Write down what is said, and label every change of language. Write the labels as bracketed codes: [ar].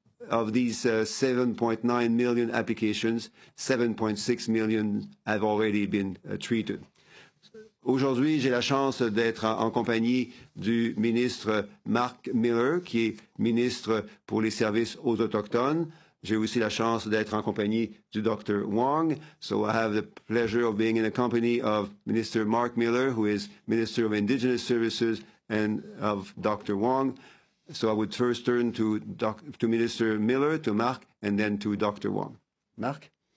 [en] Of these 7.9 million applications, 7.6 million have already been treated. [fr] Aujourd'hui, j'ai la chance d'être en compagnie du ministre Marc Miller, qui est ministre pour les services aux Autochtones. J'ai aussi la chance d'être en compagnie du Dr. Wong. [en] So I have the pleasure of being in the company of Minister Marc Miller, who is Minister of Indigenous Services, and of Dr. Wong. So I would first turn to Minister Miller, to Marc, and then to Dr. Wong. Marc?